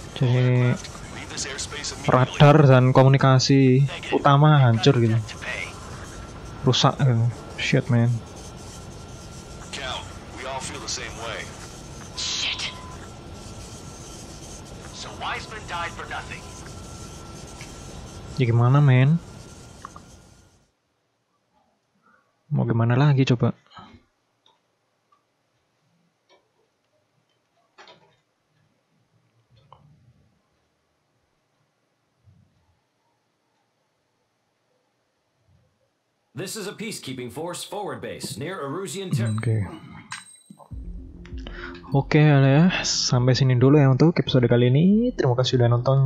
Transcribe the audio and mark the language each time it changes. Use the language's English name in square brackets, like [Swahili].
[Indonesian] Jadi radar dan komunikasi utama hancur gitu, rusak gitu. [English] Shit man. Count, we all feel the same way. Shit. So Wiseman died for nothing. [Indonesian] Ya gimana men? Mau gimana lagi coba? [English] This is a peacekeeping force forward base near Arusian Ter- [Indonesian] Oke, ya. Sampai sini dulu ya untuk episode kali ini. Terima kasih sudah nonton.